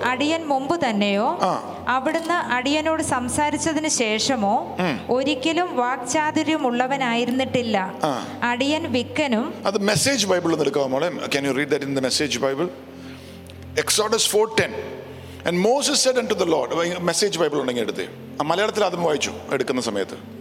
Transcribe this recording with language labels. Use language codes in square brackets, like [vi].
[ml] അടിയൻ മുമ്പ് തന്നെയോ അവിടുന്ന് അടിയനോട് സംസാരിച്ചതിന് ശേഷമോ ഒരിക്കലും വാക്ചാതുര്യം ഉള്ളവനായിരുന്നിട്ടില്ല. അടിയൻ വിക്കനും. അത് മെസ്സേജ് ബൈബിൾ എടുക്കാമോ മോളെ? [en] Can you read that in the message bible? Exodus 4:10. And Moses said unto the Lord, message bible [ml] ഉണ്ടെങ്കിൽ എടുത്തേ. മലയാളത്തിൽ അതും വായിച്ചു എടുക്കുന്ന സമയത്ത്.